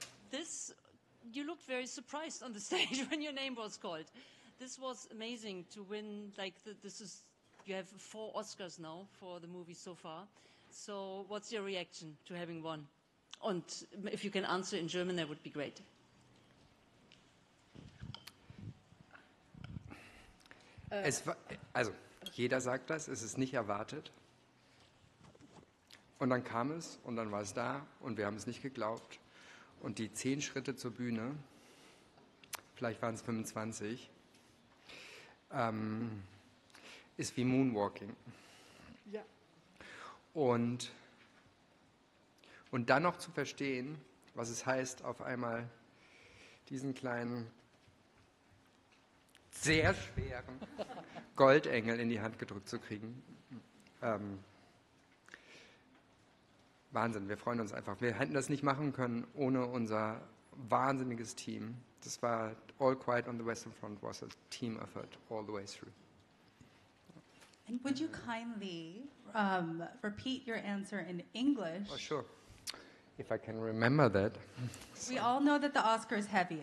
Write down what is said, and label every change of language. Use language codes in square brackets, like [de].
[en] This, you looked very surprised on the stage when your name was called. This was amazing to win, you have 4 Oscars now for the movie so far. So what's your reaction to having won? And if you can answer in German, that would be great. [de] Es war, also, jeder sagt das, es ist nicht erwartet. Und dann kam es und dann war es da und wir haben es nicht geglaubt. Und die 10 Schritte zur Bühne, vielleicht waren es 25, ist wie Moonwalking. Ja. Und dann noch zu verstehen, was es heißt, auf einmal diesen kleinen, sehr schweren Goldengel in die Hand gedrückt zu kriegen. Wahnsinn, wir freuen uns einfach. Wir hätten das nicht machen können ohne unser wahnsinniges Team. Das war [en] All Quiet on the Western Front was a team effort all the way through. And would you kindly repeat your answer in English? Oh, sure. If I can remember that. We all know that the Oscar is heavy.